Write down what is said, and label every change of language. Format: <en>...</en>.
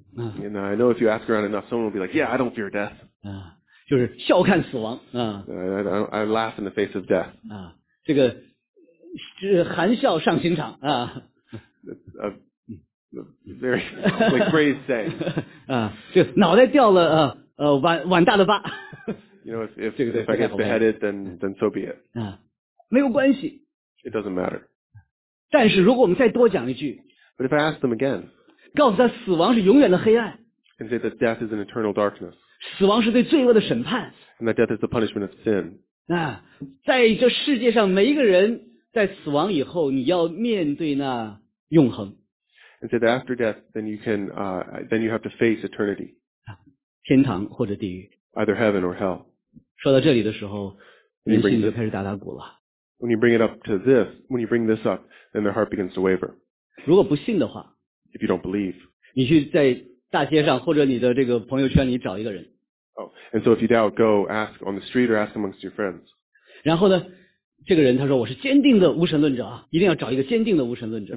<en>啊、And I know if you ask around enough, someone will be like, "Yeah, I don't fear death."</en> <zh>啊，就是笑看死亡啊。</zh> <en>I laugh in the face of death.</en> <zh>啊，这个是含笑上刑场啊。</zh> <en>A very like crazy saying.</en> <zh>啊，就脑袋掉了碗大的疤。</zh> <en>You know, if I get beheaded, then so be it.</en> <zh>没有关系。</zh> <en>It doesn't matter.</en> <zh>但是如果我们再多讲一句。</zh> <en>But if I ask them again.</en> <zh>告诉他死亡是永远的黑暗。</zh> <en>And say that death is an eternal darkness.</en> <zh>死亡是对罪恶的审判。</zh> <en>And that death is the punishment of sin.</en> <zh>在这世界上每一个人在死亡以后你要面对那永恒。</zh> <en>And say that after death, then you can, then you have to face eternity.</en> <zh>天堂或者地狱。</zh> <en>Either heaven or hell.</en> <zh>说到这里的时候，人心就开始打打鼓了。</zh> <en>When you bring it up to this, when you bring this up, then their heart begins to waver.</en> <zh>如果不信的话</zh> <en>，If you don't believe,</en> <zh>你去在大街上或者你的这个朋友圈里找一个人。</zh> <en>Oh, and so if you doubt, go ask on the street or ask amongst your friends.</en> <zh>然后呢，这个人他说我是坚定的无神论者啊，一定要找一个坚定的无神论者。</zh>